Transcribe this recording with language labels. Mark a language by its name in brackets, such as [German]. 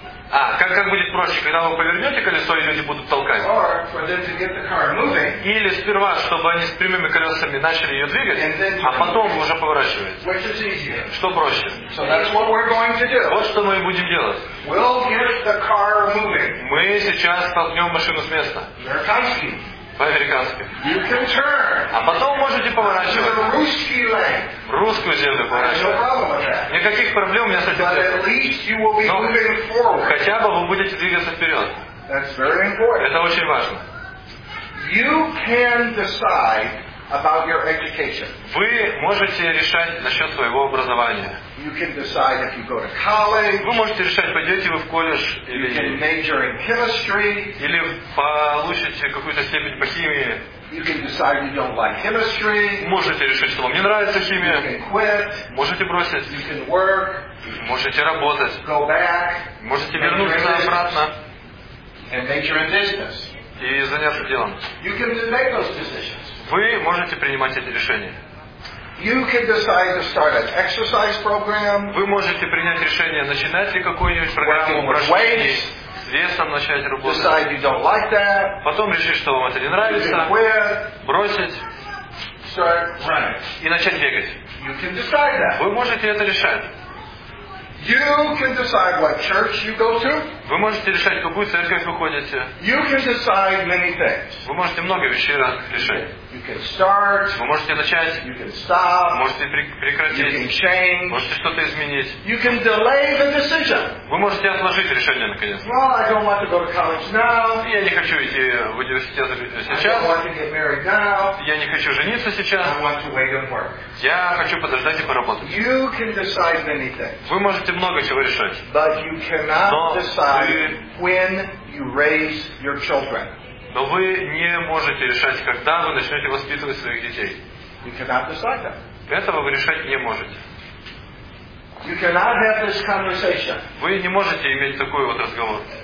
[Russian] А, как будет проще, когда вы повернете колесо, и люди будут толкать? [English] Or for them to get the car moving. [Russian] Или сперва, чтобы они с прямыми колесами начали ее двигать, а потом уже поворачивать. [English] Which is easier. [Russian] Что проще? [English] So that's what we're going to do. [Russian] Вот что мы будем делать. [English] We'll get the car moving. [Russian] Мы сейчас толкнем машину с места. Американский. По-американски. [English] You can turn. [Russian] А потом можете поворачивать. [English] To the русский lane. [Russian] Русскую землю поворачивать. [English] No problem with that. [Russian] Никаких проблем у меня с этим. [English] But at least you will be moving forward. [Russian] Хотя бы вы будете двигаться вперед. [English] That's very important. [Russian] Это очень важно. [English] You can decide about your education. [Russian] Вы можете решать насчет своего образования. [English] You can decide if you go to college. [Russian] Вы можете решать, пойдете вы в колледж или [English] you can major in chemistry. [Russian] Или получите какую-то степень по химии. [English] You can decide you don't like chemistry. [Russian] Можете решить, что вам не нравится химия. [English] You can quit. [Russian] Можете бросить. [English] You can work. [Russian] Можете работать. [English] Go back. [Russian] Можете вернуться обратно. [English] And major in business. [Russian] И заняться делом. [English] You can make those decisions. [Russian] Вы можете принимать эти решения. [English] You can decide to start an exercise program. [Russian] Вы можете принять решение, начинать ли какую-нибудь программу упражнений, с весом начать работать. [English] Decide you don't like that. [Russian] Потом решить, что вам это не нравится. [English] You can quit. [Russian] Бросить. [English] Start running. [Russian] И начать бегать. [English] You can decide that. [Russian] Вы можете это решать. [English] You can decide what church you go to. [Russian] Вы можете решать, какую церковь вы ходите. [English] You can decide many things. [Russian] Вы можете много вещей решать. [English] You can start. [Russian] Вы можете начать. [English] You can stop. [Russian] Можете прекратить. [English] You can change. [Russian] Можете что-то изменить. [English] You can delay the decision. [Russian] Вы можете отложить решение наконец. [English] Well, I don't want to go to college now. [Russian] Я не хочу идти в университет сейчас. [English] I don't want to get married now. [Russian] Я не хочу жениться сейчас. [English] I want to wait and work. [Russian] Я хочу подождать и поработать. [English] You can decide many things. [Russian] Вы можете много чего решать. [English] But you cannot decide when you raise your children. [Russian] Но вы не можете решать, когда вы начнете воспитывать своих детей. [English] You cannot decide that. [Russian] Этого вы решать не можете. [English] You cannot have this conversation. [Russian] Вы не можете иметь такой вот разговор.